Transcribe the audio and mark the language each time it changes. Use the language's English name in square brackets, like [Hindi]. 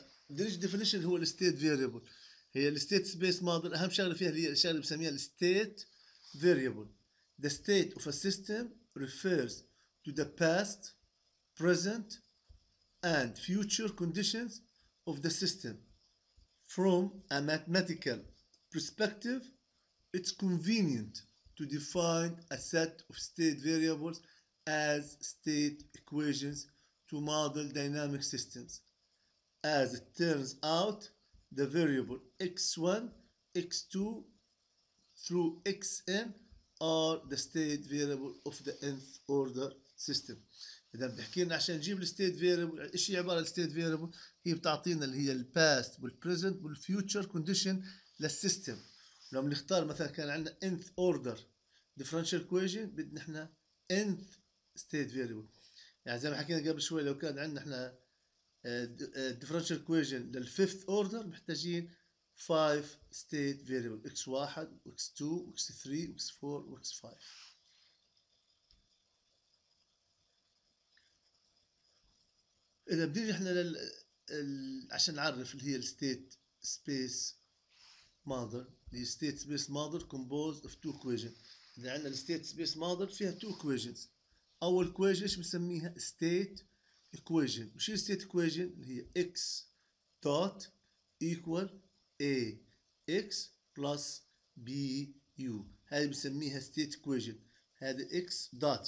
[Arabic] ديش ديفينيشن هو الستيت فيريبل، هي الستيت سبيس موديل. اهم شغله فيها هي الشغله بسميها الستيت فيريبل. [English] The state of a system refers to the past, present and future conditions of the system from a mathematical perspective. It's convenient to define a set of state variables as state equations to model dynamic systems. As it turns out, the variable x1, x2 through xn are the state variable of the nth order system. [Arabic] إذا بحكي لنا عشان نجيب الستيت فيريبل، إيش هي عبارة الستيت فيريبل؟ هي بتعطينا اللي هي الباست والبريزنت والفيوتشر كونديشن للسيستم. لو بنختار مثلا كان عندنا [English] nth order differential equation [Arabic] بدنا احنا [English] nth state variable. [Arabic] يعني زي ما حكينا قبل شوي لو كان عندنا احنا [English] differential equation [Arabic] لل [English] fifth order [Arabic] محتاجين 5 state variable x1 x2 x3 x4 x5. اذا بدينا احنا عشان نعرف اللي هي state space model. [English] The state space model composed of two equations. [Arabic] إذا عندنا state space model فيها [English] two equations. [Arabic] أول equation إيش بنسميها؟ state equation. وش state equation؟ اللي هي x dot equal a x plus b u. هذه بنسميها state equation. هذا x dot.